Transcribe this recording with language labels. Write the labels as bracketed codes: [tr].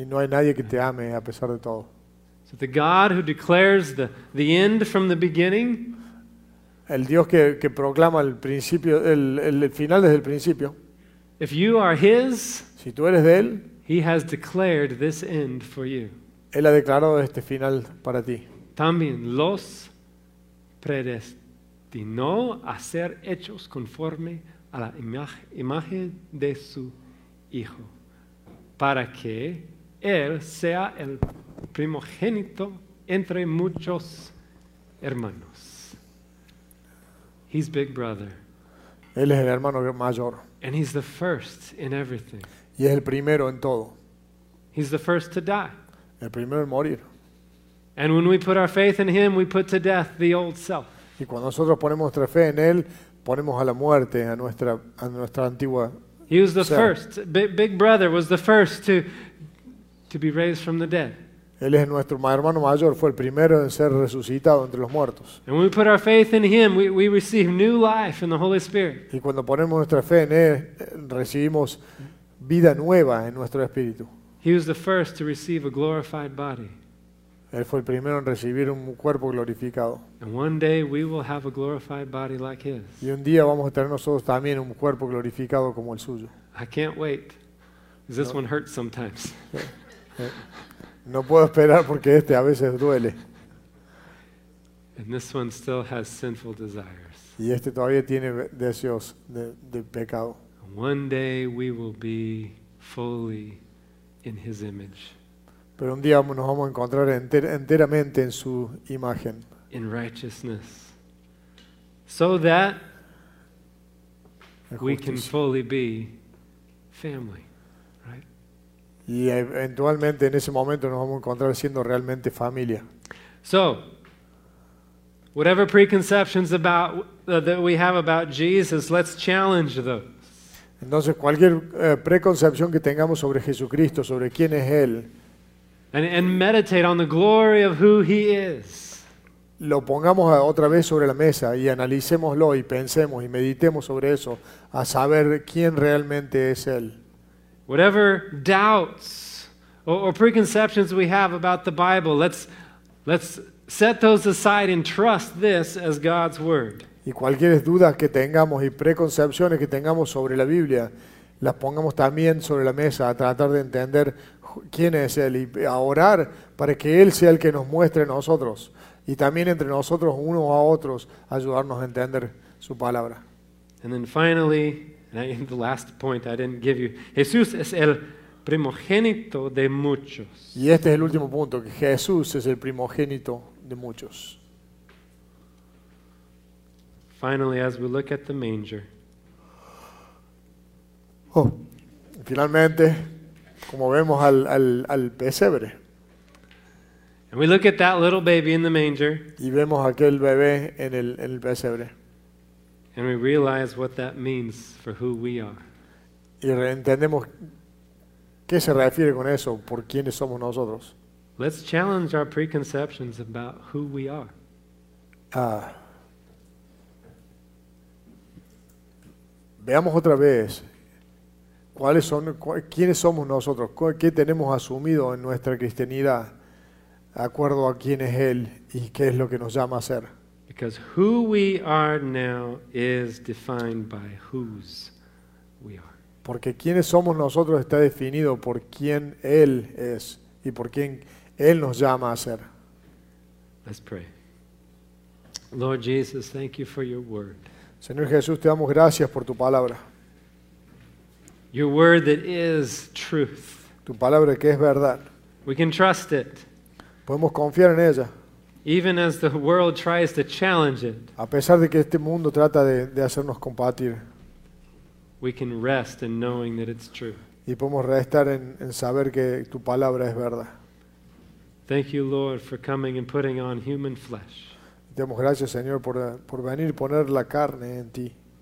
[es] Y no hay nadie que te ame a pesar de todo. [en] So the God who declares the end from the beginning. [es] El Dios que proclama el principio, el final desde el principio. [en] If you are his, [es] si tú eres de él, [en] he has declared this end for you. [es] Él ha declarado este final para ti. También los predestinó a ser hechos conforme a la imagen de su Hijo, para que él sea el primogénito entre muchos hermanos. [en] He's big brother. [es] Él es el hermano mayor. [en] And he's the first in everything. [es] Y es el primero en todo. [en] He's the first to die. [es] El primero en morir. [en] And when we put our faith in him, we put to death the old self. [es] Y cuando nosotros ponemos nuestra fe en él, ponemos a la muerte a nuestra antigua. [en] He was the first. Big brother was the first to be raised from the dead. [es] Él es nuestro hermano mayor, fue el primero en ser resucitado entre los muertos. [en] And when we put our faith in him, we receive new life in the Holy Spirit. [es] Y cuando ponemos nuestra fe en él, recibimos vida nueva en nuestro espíritu. [en] He was the first to receive a glorified body. [es] Él fue el primero en recibir un cuerpo glorificado. [en] And one day we will have a glorified body like his. [es] Y un día vamos a tener nosotros también un cuerpo glorificado como el suyo. [en] I can't wait. Because this one hurts sometimes. [es] No puedo esperar porque este a veces duele. [en] And this one still has sinful desires. [es] Y este todavía tiene deseos de pecado. [en] One day we will be fully in his image. [es] Pero un día nos vamos a encontrar enteramente en su imagen. [en] In righteousness. So that we can fully be family. [es] Y eventualmente en ese momento nos vamos a encontrar siendo realmente familia. [en] So, whatever preconceptions about that we have about Jesus, let's challenge those. [es] Entonces, cualquier preconcepción que tengamos sobre Jesucristo, sobre quién es él, [en] and meditate on the glory of who he is. [es] Lo pongamos otra vez sobre la mesa y analicémoslo y pensemos y meditemos sobre eso a saber quién realmente es él. [en] Whatever doubts or preconceptions we have about the Bible, let's set those aside and trust this as God's word. [es] y cualquier duda que tengamos y preconcepciones que tengamos sobre la Biblia, las pongamos también sobre la mesa a tratar de entender quién es Él y a orar para que Él sea el que nos muestre a nosotros y también entre nosotros, unos a otros, ayudarnos a entender su palabra. [en] And then finally, in the last point I didn't give you, [es] Jesús es el primogénito de muchos. Y este es el último punto, que Jesús es el primogénito de muchos. [en] Finally, as we look at the manger. [es] Oh, finalmente, como vemos al pesebre. [en] And we look at that little baby in the manger. [es] Y vemos aquel bebé en el pesebre. [en] And we realize what that means for who we are. [es] Y entendemos qué se refiere con eso, por quiénes somos nosotros. [en] Let's challenge our preconceptions about who we are. [es] Veamos otra vez quiénes somos nosotros, qué tenemos asumido en nuestra cristianidad, de acuerdo a quién es Él y qué es lo que nos llama a ser. [en] Because who we are now is defined by whose we are. [es] Porque quiénes somos nosotros está definido por quién Él es y por quién Él nos llama a ser. [en] Let's pray. Lord Jesus, thank you for your word. [es] Señor Jesús, te damos gracias por tu palabra. [en] Your word that is truth. [es] Tu palabra que es verdad. [en] We can trust it. [es] Podemos confiar en ella. [en] Even as the world tries to challenge it. [es] A pesar de que este mundo trata de hacernos combatir. [en] We can rest in knowing that it's true. [es] Y podemos restar en saber que tu palabra es verdad. [en] Thank you, Lord, for coming and putting on human flesh. [es] Damos gracias, Señor, por venir y poner la carne en ti.